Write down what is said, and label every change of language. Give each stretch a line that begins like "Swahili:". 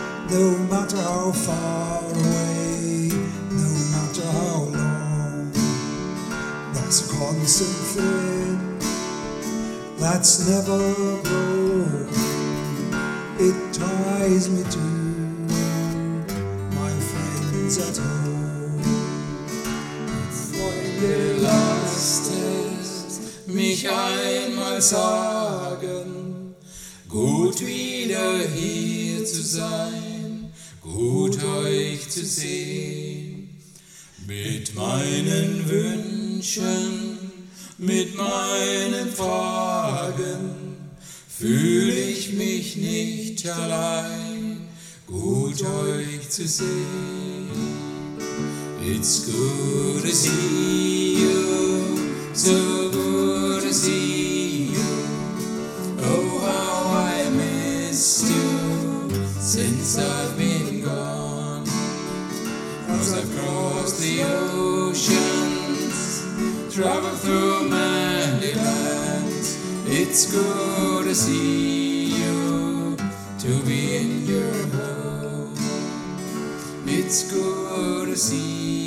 English: No matter how far away, no matter how long, that's a constant thread that's never broken. It ties me to my friends at home.
German: Freut dir lasst es mich einmal sagen, gut wieder hier zu sein, gut euch zu sehen. Mit meinen Wünschen, mit meinen Fragen fühle ich mich nicht allein, gut euch zu sehen.
English: It's good to see you, so good to see you. Oh, how I missed you since I've been gone. As I've crossed the oceans, traveled through many lands, it's good to see you, to be in your home. It's good to see you.